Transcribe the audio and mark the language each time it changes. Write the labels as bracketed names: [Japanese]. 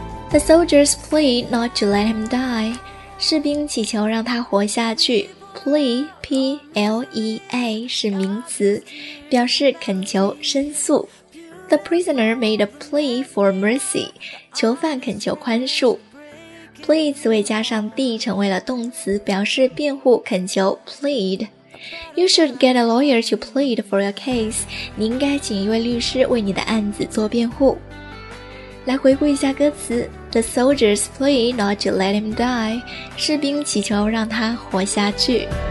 [English] The soldiers plea not to let him die， [Chinese] 士兵祈求让他活下去。 Plea, P-L-E-A 是名词，表示恳求、申诉。 [English] The prisoner made a plea for mercy， [Chinese] 囚犯恳求宽恕。 Plea 词尾加上 d 成为了动词，表示辩护、恳求， plead。 [English] You should get a lawyer to plead for your case， [Chinese] 你应该请一位律师为你的案子做辩护。来回顾一下歌词， [English] The soldiers plea not to let him die， [Chinese] 士兵祈求让他活下去。